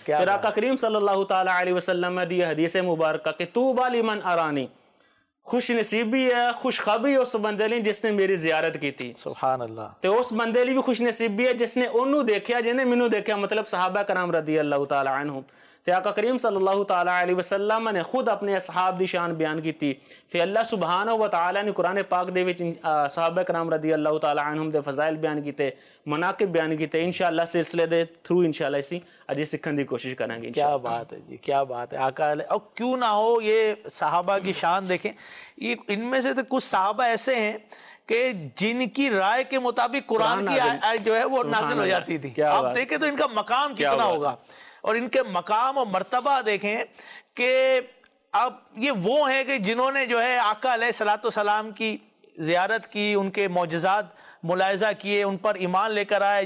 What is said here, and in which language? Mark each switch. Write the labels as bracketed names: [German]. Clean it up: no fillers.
[Urdu] پھر آقا کریم صلی اللہ تعالی علیہ وسلم نے دی حدیث مبارکہ کہ [Arabic] طوبی لمن ارانی, [Urdu] خوش نصیبی ہے خوشخبری اس بندے لی جس نے میری زیارت کی تھی. سبحان اللہ. [Punjabi] تو اس بندے لی بھی خوش نصیبی ہے جس نے انہوں دیکھا جنہیں مینو دیکھا, مطلب صحابہ کرام رضی اللہ تعالی عنہم. تو آقا کریم صلی اللہ تعالی علیہ وسلم نے خود اپنے اصحاب دی شان بیان کی تھی. پھر اللہ سبحانہ و تعالی نے قرآن پاک دے وچ صحابہ کرام رضی اللہ تعالی عنہم دے فضائل بیان کیتے, مناقب بیان کیتے. انشاءاللہ سلسلے دے تھرو انشاءاللہ اسی اجے سکھن دی کوشش کریں گے. [Urdu] کیا بات ہے جی, کیا بات ہے. آقا علیہ, اور کیوں نہ ہو, یہ صحابہ کی شان دیکھیں. یہ ان میں سے تو کچھ صحابہ ایسے ہیں کہ جن کی رائے کے مطابق قرآن کی آئے جو ہے وہ نازل ہو جاتی تھی. آپ دیکھیں تو ان کا مقام کتنا ہوگا, اور ان کے مقام اور مرتبہ دیکھیں کہ اب یہ وہ ہیں کہ جنہوں نے جو ہے آقا علیہ الصلوۃ والسلام کی زیارت کی, ان کے معجزات ملاحظہ کیے, ان پر ایمان لے کر آئے.